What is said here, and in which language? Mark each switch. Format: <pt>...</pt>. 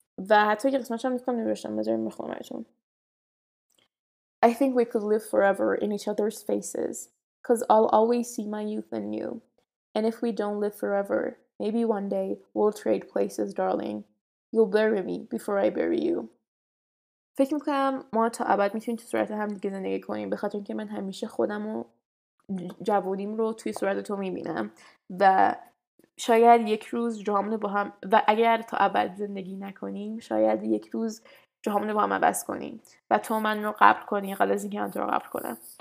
<fa>و حتی یه قسمتش هم میکنم نوشتم، بذاریم بخونم براتون.</fa> <en>I think we could live forever in each other's faces, cause I'll always see my youth in you. And if we don't live forever, maybe one day we'll trade places, darling. You'll bury me before I bury you.</en> <fa>فکر میکنم ما تا ابد میتونیم تو صورت هم دیگه زندگی کنیم، به خاطر اینکه من همیشه خودم و جوونیم رو توی صورت تو میبینم و شاید یک روز جامونه با هم، و اگر تا ابد زندگی نکنیم شاید یک روز جامونه با هم عوض کنیم و تو من رو قبر کنی قبل از اینکه من تو رو قبر کنم.</fa>